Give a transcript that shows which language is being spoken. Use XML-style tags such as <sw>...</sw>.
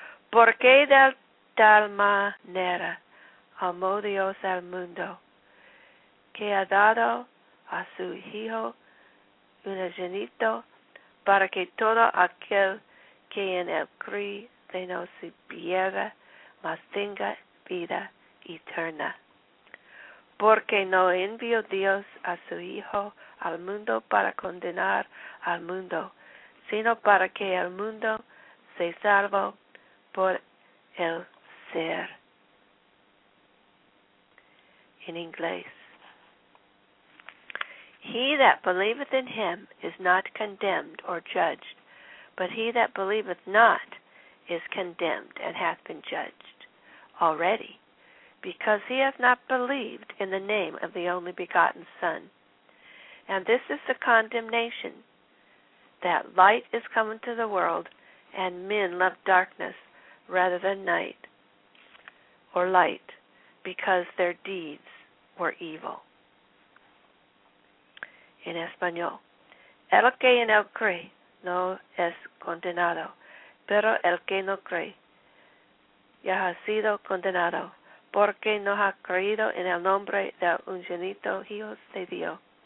<es>Porque de tal manera amó Dios al mundo, que ha dado a su Hijo unigénito, para que todo aquel que en él cree no se pierda, mas tenga vida eterna. Porque no envió Dios a su Hijo al mundo para condenar al mundo, sino para que el mundo se salve por el ser.</es> <en>In English, he that believeth in him is not condemned or judged, but he that believeth not is condemned and hath been judged already, because he hath not believed in the name of the only begotten Son. And this is the condemnation, that light is come into the world, and men love darkness rather than night or light, because their deeds were evil.</en> <es>En español, el que en él cree no es condenado, pero el que no cree ya ha sido condenado, porque no ha creído en el nombre del unigénito Hijo de Dios.</es>